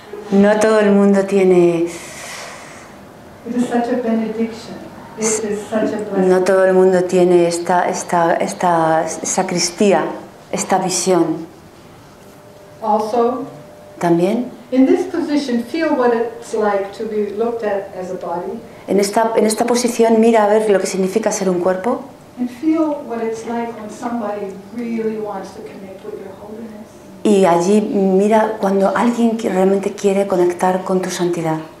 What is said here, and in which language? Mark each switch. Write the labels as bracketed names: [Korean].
[Spanish] No todo el mundo tiene. [English] It is such a benediction. [Spanish] No todo el mundo tiene esta sacristía, esta visión. [English] Also, [Spanish] también. [English] In this position, feel what it's like to be looked at as a body. [Spanish] En esta posición, mira a ver lo que significa ser un cuerpo. [English] And feel what it's like when somebody really wants to connect with your holiness. [Spanish] Y allí mira cuando alguien realmente quiere conectar con tu santidad.